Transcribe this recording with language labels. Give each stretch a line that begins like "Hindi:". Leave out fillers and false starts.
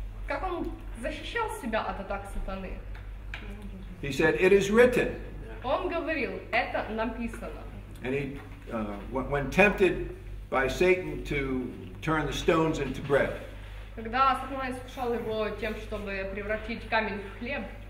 Russian: Как он защищал себя от атак сатаны?
English: He said, "It is written."
Russian: Он говорил, это написано.
English: And he, when tempted by Satan to turn the stones into bread,
Russian: когда сатана искушал его тем, чтобы превратить камень в хлеб,